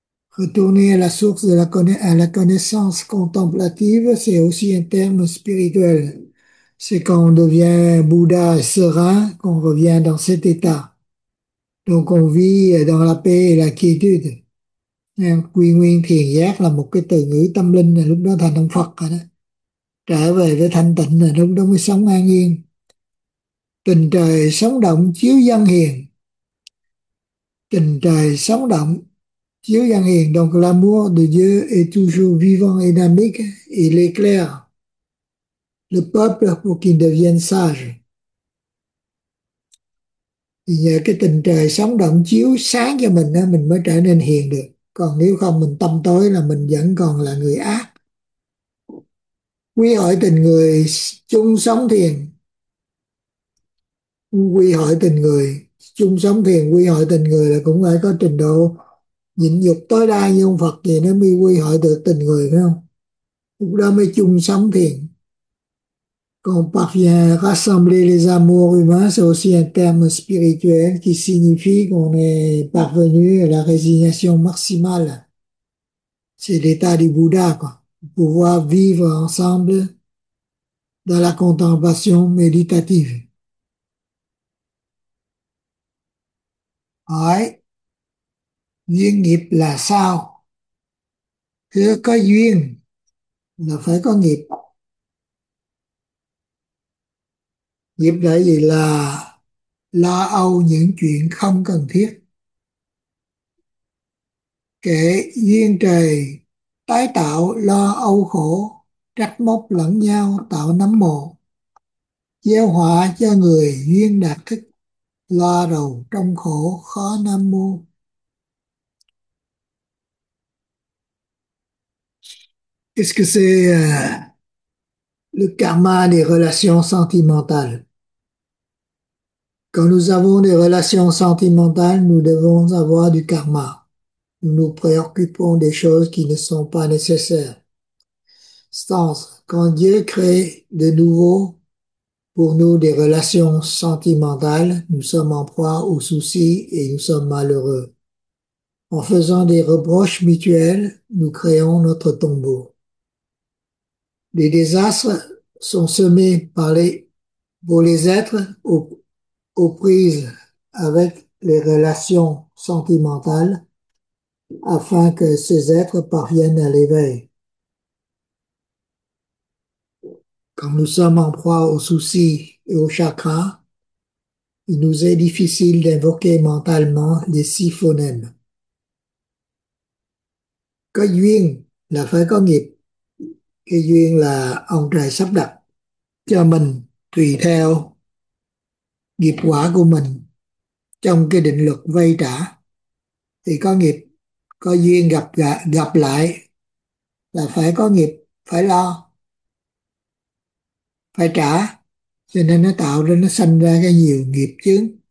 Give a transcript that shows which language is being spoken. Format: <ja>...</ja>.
<fr>Retourner à la source de la connaissance contemplative, c'est aussi un terme spirituel. C'est quand on devient Bouddha et serein qu'on revient dans cet état. Donc on vit dans la paix et la quiétude.</fr> <vi>Quy nguyên thiền giác là một cái từ ngữ tâm linh, là lúc đó thành ông Phật rồi đó. Trở về với thanh tịnh là lúc đó mới sống an yên. Tình trời sống động chiếu dân hiền. Tình trời sống động chiếu dân hiền.</vi> <fr>Donc l'amour de Dieu est toujours vivant et dynamique. Il est clair. Le peuple pour qu'il devienne sage. Il y a</fr> <vi>cái tình trời sống động chiếu sáng cho mình á, mình mới trở nên hiền được. Còn nếu không mình tâm tối là mình vẫn còn là người ác. Quy hội tình người chung sống thiền. Quy hội tình người chung sống thiền, quy hội tình người là cũng phải có trình độ nhịn nhục tối đa như ông Phật vậy nó mới quy hội được tình người, phải không? Lúc đó mới chung sống thiền.</vi> <fr>Quand on parvient à rassembler les amours humains, c'est aussi un terme spirituel qui signifie qu'on est parvenu à la résignation maximale. C'est l'état du Bouddha, quoi. pouvoir vivre ensemble dans la contemplation méditative.</fr> <vi>Ai, duyên nghiệp là sao? Cứ có duyên là phải có nghiệp. Nghiệp là gì? Là lo âu những chuyện không cần thiết. Kể duyên trời tái tạo lo âu khổ, trách móc lẫn nhau tạo nấm mồ, gieo họa cho người duyên đạt thức, lo đầu trong khổ khó Nam Mô.</vi> <fr>Qu'est-ce que c'est le karma des relations sentimentales? Quand nous avons des relations sentimentales, nous devons avoir du karma. Nous nous préoccupons des choses qui ne sont pas nécessaires. Stance, quand Dieu crée de nouveau pour nous des relations sentimentales, nous sommes en proie aux soucis et nous sommes malheureux. En faisant des reproches mutuels, nous créons notre tombeau. Les désastres sont semés par pour les êtres aux prises avec les relations sentimentales, afin que ces êtres parviennent à l'éveil. Quand nous sommes en proie aux soucis et aux chakras, il nous est difficile d'invoquer mentalement les six phonèmes.</fr> <vi>Có duyên là phải có nghiệp. Cái duyên là ông trời sắp đặt cho mình tùy theo nghiệp quả của mình trong cái định luật vay trả. Thì có nghiệp, có duyên gặp lại là phải có nghiệp, phải lo, phải trả, cho nên nó tạo ra, nó sanh ra cái nhiều nghiệp chướng.</vi>